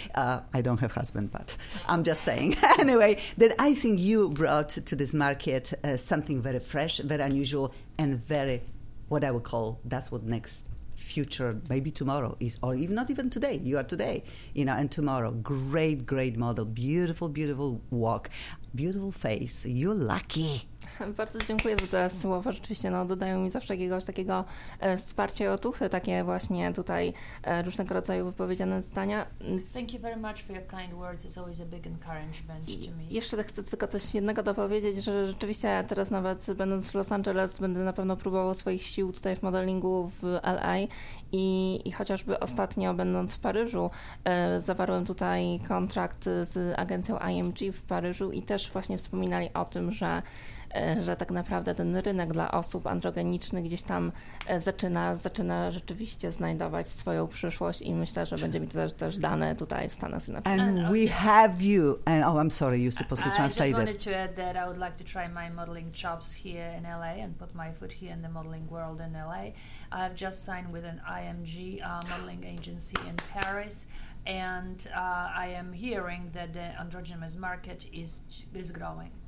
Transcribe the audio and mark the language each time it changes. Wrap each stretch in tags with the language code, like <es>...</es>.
<en>I don't have husband, but I'm just saying. Anyway, that I think you brought to this market something very fresh, very unusual, and very, what I would call, that's what next future, maybe tomorrow is, or even not even today, you are today, you know, and tomorrow, great, great model, beautiful, beautiful walk, beautiful face, you're lucky.</en> <pl>Bardzo dziękuję za te słowa. Rzeczywiście no, dodają mi zawsze jakiegoś takiego wsparcia i otuchy, takie właśnie tutaj różnego rodzaju wypowiedziane zdania.</pl> <en>Thank you very much for your kind words. It's always a big encouragement to me.</en> <pl>Jeszcze chcę tylko coś jednego dopowiedzieć, że rzeczywiście teraz nawet będąc w Los Angeles będę na pewno próbował swoich sił tutaj w modelingu w LA i chociażby ostatnio będąc w Paryżu zawarłem tutaj kontrakt z agencją IMG w Paryżu i też właśnie wspominali o tym, że tak naprawdę ten rynek dla osób androgenicznych gdzieś tam zaczyna rzeczywiście znajdować swoją przyszłość i myślę, że będzie mi to też dane tutaj w Stanach Zjednoczonych.</pl> <en>And we have you. And oh, I'm sorry, you're supposed to translate that. I just wanted to add that I would like to try my modeling chops here in LA and put my foot here in the modeling world in LA. I have just signed with an IMG modeling agency in Paris. And I am hearing that the androgynous market is growing.</en>